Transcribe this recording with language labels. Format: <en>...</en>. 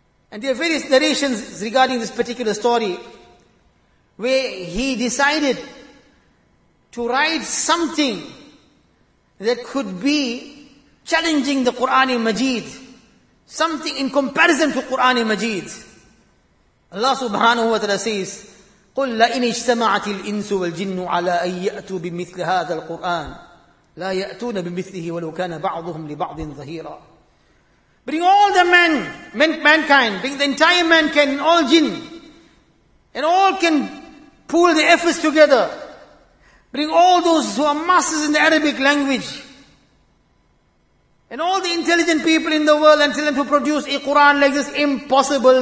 <en>And there are various narrations regarding this particular story, where he decided to write something that could be challenging the Qur'an-i-Majeed, something in comparison to Qur'an-i-Majeed.</en> <ar>Allah subhanahu wa ta'ala</ar> <en>says,</en> <ar>قُلْ لَئِنِ اجْتَمَعَتِ الْإِنْسُ وَالْجِنُّ عَلَىٰ أَنْ يَأْتُوا بِمِثْلِ هَذَا الْقُرْآنِ لَا يَأْتُونَ بِمِثْلِهِ وَلَوْ كَانَ بَعْضُهُمْ لِبَعْضٍ ظَهِيرًا.</ar> <en>Bring all the men, mankind, bring the entire mankind, all jinn, and all can pool the efforts together. Bring all those who are masters in the Arabic language, and all the intelligent people in the world, and tell them to produce a Quran like this. Impossible.</en>